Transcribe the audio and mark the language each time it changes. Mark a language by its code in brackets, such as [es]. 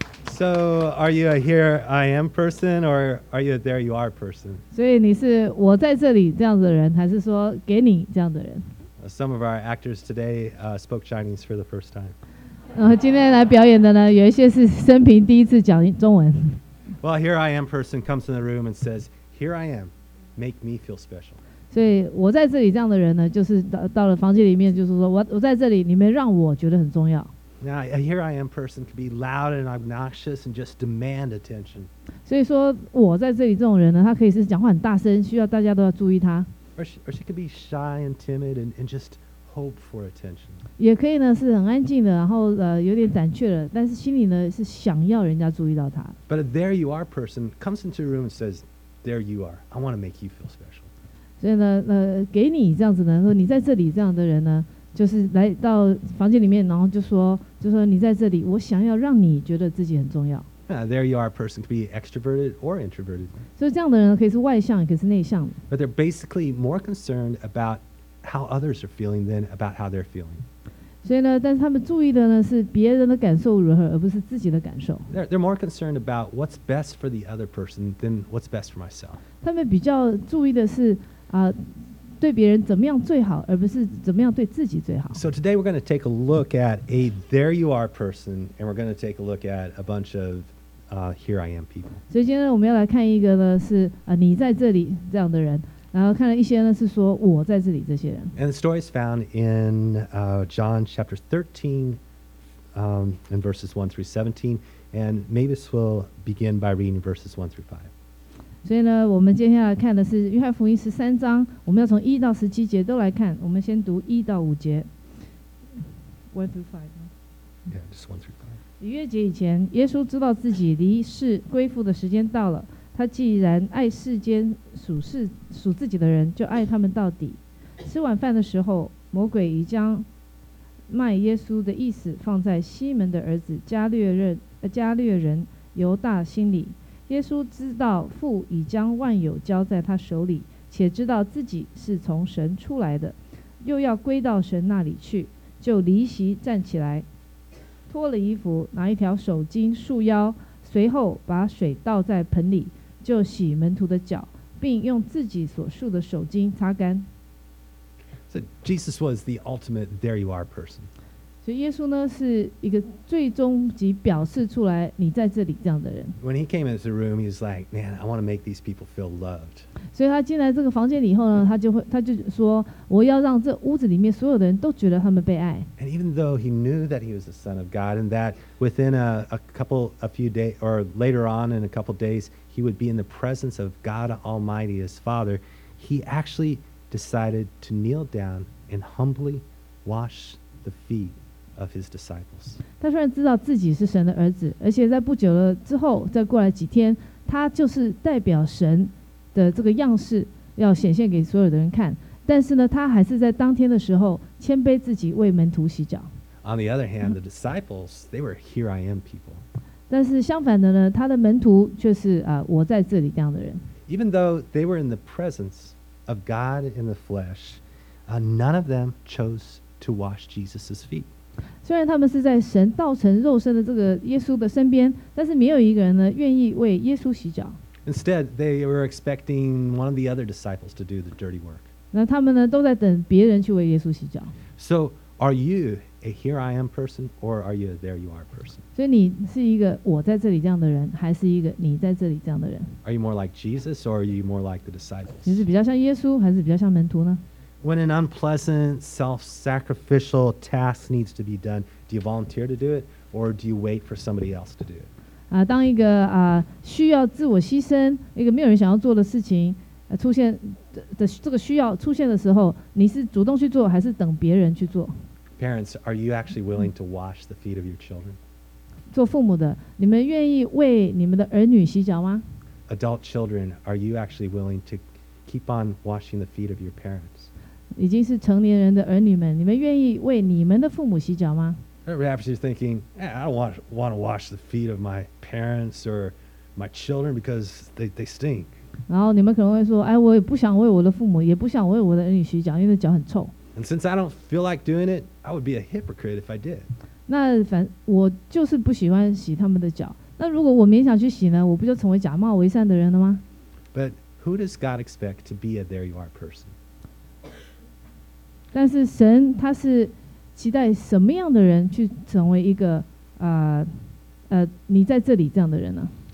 [en] So, are you a "here I am" person, or are you a "there you are" person? [zh] 所以你是我在这里这样子的人，还是说给你这样的人？ [en] Some of our actors today spoke Chinese for the first time. [zh] 今天来表演的呢，有一些是生平第一次讲中文。 [en] Well, "here I am" person comes in the room and says, "Here I am, make me feel special." [zh] 所以我在这里这样的人呢，就是到了房间里面，就是说我在这里，你们让我觉得很重要。 [en] Now, a "here I am" person can be loud and obnoxious and just demand attention. [zh] 所以说我在这里这种人呢，他可以是讲话很大声，需要大家都要注意他。 [en] Or she could be shy and timid and just hope for attention. [zh] 也可以呢，是很安静的，然后有点胆怯的，但是心里呢是想要人家注意到他。 [en] But a "there you are" person comes into the room and says, "There you are. I want to make you feel special." [zh] 所以呢，给你这样子呢，说你在这里这样的人呢。就是来到房间里面，然后就说你在这里，我想要让你觉得自己很重要。 [en] There you are, a person could be extroverted or introverted. [zh] 所以这样的人可以是外向，可以是内向的。 [en] But they're basically more concerned about how others are feeling than about how they're feeling. [zh] 所以呢，但是他们注意的呢是别人的感受如何，而不是自己的感受。 [en] They're more concerned about what's best for the other person than what's best for myself. [zh] 他们比较注意的是对别人怎么样最好，而不是怎么样对自己最好。 [en] So today we're going to take a look at a there you are person, and we're going to take a look at a bunch of here I am people. [zh] 所以今天我们要来看一个呢是你在这里这样的人，然后看了一些呢是说我在这里这些人。 [en] And the story is found in John chapter 13, in verses 1 through 17, and Mavis will begin by reading verses 1 through 5. [zh] 所以呢，我们接下来看的是约翰福音十三章，我们要从一到十七节都来看。我们先读一到五节。 [en] One through five. Yeah, just one through five. [zh] 逾越节以前，耶稣知道自己离世归父的时间到了。他既然爱世间属自己的人，就爱他们到底。吃晚饭的时候，魔鬼已将卖耶稣的意思放在西门的儿子加略人犹大心里。耶稣知道父已将万有交在他手里，且知道自己是从神出来的，又要归到神那里去，就离席站起来，脱了衣服，拿一条手巾束腰，随后把水倒在盆里，就洗门徒的脚，并用自己所束的手巾擦干。 [en] So Jesus was the ultimate there you are person. [zh] 所以耶稣呢是一个最终极表示出来你在这里这样的人。 [en] When he came into the room, he was like, man, I want to make these people feel loved. [zh] 所以他进来这个房间以后呢，他就说我要让这屋子里面所有的人都觉得他们被爱。 [en] And even though he knew that he was the son of God and that within a couple days, he would be in the presence of God Almighty, his father, he actually decided to kneel down and humbly wash the feet. Of his disciples. [zh] 他虽然知道自己是神的儿子，而且在不久了之后，再过来几天，他就是代表神的这个样式要显现给所有的人看。但是呢，他还是在当天的时候谦卑自己为门徒洗脚。 [en] On the other hand, the disciples, they were here I am people. [zh] 但是相反的呢，他的门徒却是我在这里这样的人。 [en] Even though they were in the presence of God in the flesh, none of them chose to wash Jesus' feet. [zh] 虽然他们是在神道成肉身的这个耶稣的身边，但是没有一个人呢愿意为耶稣洗脚。 [en] Instead, they were expecting one of the other disciples to do the dirty work. [zh] 那他们呢都在等别人去为耶稣洗脚。 [en] So, are you a here I am person, or are you a there you are person? [zh] 所以你是一个我在这里这样的人，还是一个你在这里这样的人？ [en] Are you more like Jesus, or are you more like the disciples? [zh] 你是比较像耶稣，还是比较像门徒呢？ [en] When an unpleasant, self-sacrificial task needs to be done, do you volunteer to do it, or do you wait for somebody else to do it? [zh] 当一个需要自我牺牲，一个没有人想要做的事情出现的这个需要出现的时候，你是主动去做，还是等别人去做？ [en] Parents, are you actually willing to wash the feet of your children? [zh] 做父母的，你们愿意为你们的儿女洗脚吗？ [en] Adult children, are you actually willing to keep on washing the feet of your parents? [zh] 已经是成年人的儿女们，你们愿意为你们的父母洗脚吗？ [en] Perhaps you're thinking, hey, I don't want to wash the feet of my parents or my children because they stink. [zh] 然后你们可能会说，哎，我也不想为我的父母，也不想为我的儿女洗脚，因为脚很臭。 [en] And since I don't feel like doing it, I would be a hypocrite if I did. [zh] 那反我就是不喜欢洗他们的脚。那如果我勉强去洗呢，我不就成为假冒为善的人了吗？ [en] But who does God expect to be a there you are person? [zh] 但是神他是期待什么样的人去成为一个你在这里这样的人呢？